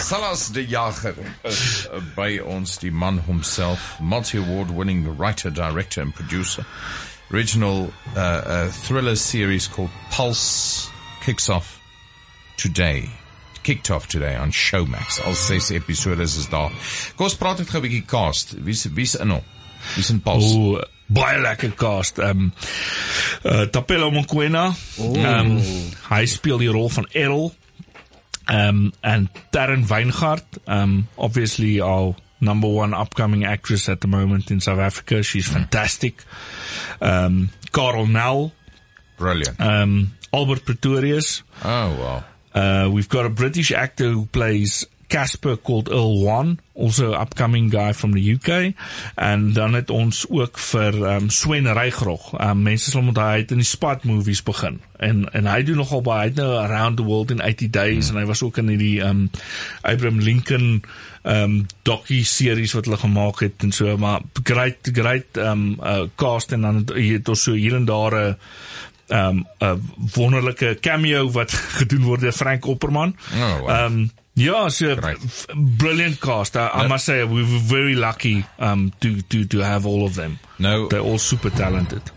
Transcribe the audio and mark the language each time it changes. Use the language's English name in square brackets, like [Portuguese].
[English] Salas de Jager [Afrikaans] is by ons [English] the man himself, multi-award winning writer, director and producer. Original thriller series called Pulse kicks off today. Kicked off today on Showmax. [Afrikaans] Al 6 episodes is daar. Kom ons praat net gou 'n bietjie cast. Wie's in hom? Wie's in Pulse? Ooh, baie lekker cast. Tapelo Mokoena. Hy speel die rol van Errol. En Taryn Wyngaard. Obviously al... [English] Number one upcoming actress at the moment in South Africa. She's fantastic. Carl Nell. Brilliant. Albert Pretorius. Oh, wow. We've got a British actor who plays Casper called Earl Wan. Also upcoming guy from the UK. [Afrikaans] And dan het ons ook vir [English] Sven Reichrog. [Afrikaans] Mense sal moet hy het in die Spot movies begin. And hy doe nogal baie. Hy het nou Around the World in 80 Days. And hy was ook in die Abraham Lincoln... docu series wat hulle gemaak het en so, maar great cast en dan het ons so hier en daar 'n wonderlike cameo wat gedoen word deur Frank Opperman. [English] Oh, wow. [Afrikaans] Ja, so brilliant cast. [English] I must say we were very lucky to have all of them. No, they're all super talented.